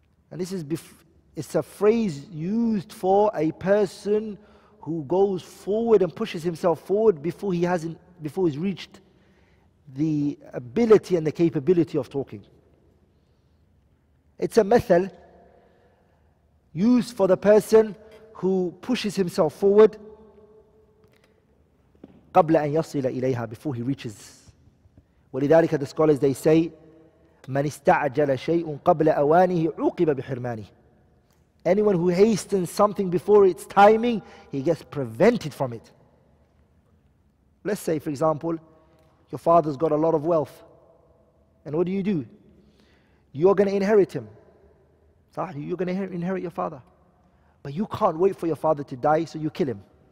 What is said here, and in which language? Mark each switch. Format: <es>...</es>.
<en>And this is it's a phrase used for a person who goes forward and pushes himself forward before he's reached the ability and the capability of talking. It's a method used for the person who pushes himself forward</en> <ar>قبل أن يصل إليها,</ar> <en>before he reaches.</en> <ar>ولذلك</ar> <en>the scholars, they say</en> <ar>من استعجل شيء قبل أوانه عوقب بحرمانه.</ar> <en>Anyone who hastens something before its timing, he gets prevented from it. Let's say, for example, your father's got a lot of wealth. And what do? You're going to inherit him. You're going to inherit your father. But you can't wait for your father to die, so you kill him.</en>